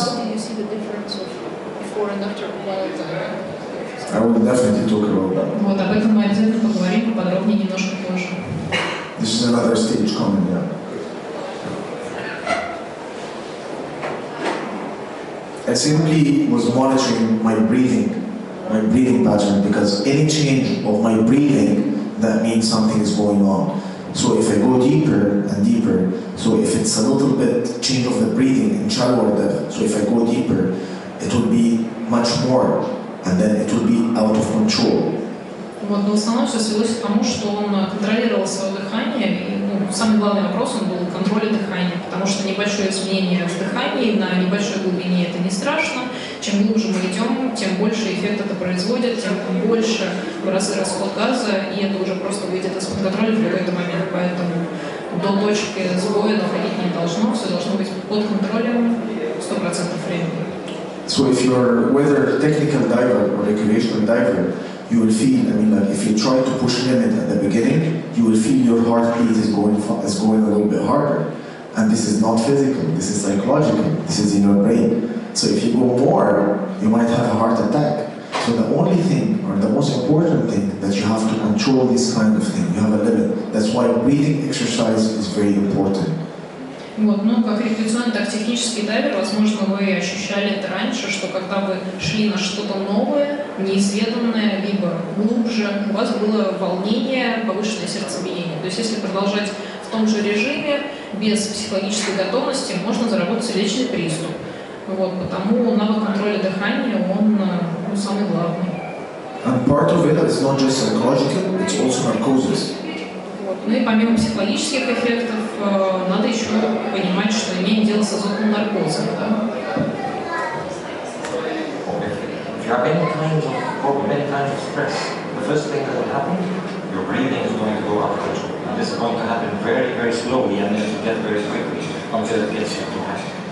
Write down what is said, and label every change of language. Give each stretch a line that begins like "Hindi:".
English: How do you see the difference of before and after quiet time? I will definitely talk about that.
Russian: Вот об этом мы отдельно поговорим поподробнее немножко позже.
English: This is another stage coming, yeah. I simply was monitoring my breathing pattern, because any change of my breathing, that means something is going on. So if I go deeper and deeper, so if it's a little bit change of the breathing in shallower depth, so if I go deeper, it would be much more, and then it would be out of control.
Russian: Вот, но в основном все свелось к тому, что он контролировал свое дыхание, и, ну, самый главный вопрос, он был контроль дыхания, потому что небольшое изменение в дыхании на небольшой глубине – это не страшно. Чем глубже мы идем, тем больше эффект это производит, тем больше в разы расход газа, и это уже просто выйдет из-под контроля в какой-то момент. Поэтому до точки сбоя доходить не должно, все должно быть под контролем 100% времени.
English: So if your weather technical recreational diver, you will feel, I mean, like if you try to push limit at the beginning, you will feel your heartbeat is going a little bit harder. And this is not physical, this is psychological, this is in your brain. So if you go more, you might have a heart attack. So the only thing, or the most important thing, that you have to control this kind of thing, you have a limit. That's why breathing exercise is very important.
Russian: Вот, ну, как рекреационный, так технический дайвер, возможно, вы ощущали это раньше, что когда вы шли на что-то новое, неизведанное, либо глубже, у вас было волнение, повышенное сердцебиение. То есть если продолжать в том же режиме, без психологической готовности, можно заработать сердечный приступ. Вот, потому навык контроля дыхания, он, ну, самый главный.
English: And part of it is not just psychological, it's also narcosis.
Russian: Ну и помимо психологических эффектов, надо еще понимать, что имеет дело с азотным наркозом, да?
English: If you have any kind of stress, the first thing that will happen, your breathing is going to go out of control. And this is going to happen very, very slowly and then to get very quickly until it gets you to pass.